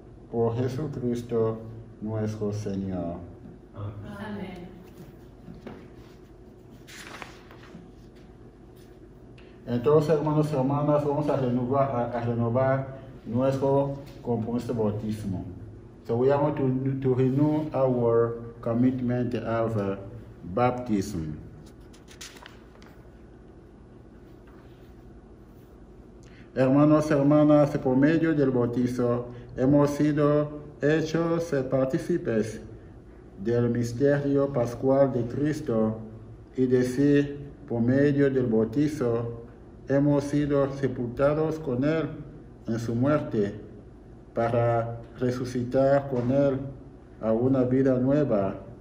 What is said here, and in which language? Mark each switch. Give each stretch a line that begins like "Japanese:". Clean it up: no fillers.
Spanish: Por Jesucristo nuestro Señor. Amén. Entonces, hermanos y hermanas, vamos a renovar nuestro compromiso de bautismo.
English: So we are going to renew our commitment of baptism.
Spanish: Hermanos y hermanas, por medio del bautizo hemos sido hechos partícipes del misterio pascual de Cristo, y de sí, por medio del bautizo hemos sido sepultados con Él en su muerte, para resucitar con Él a una vida nueva.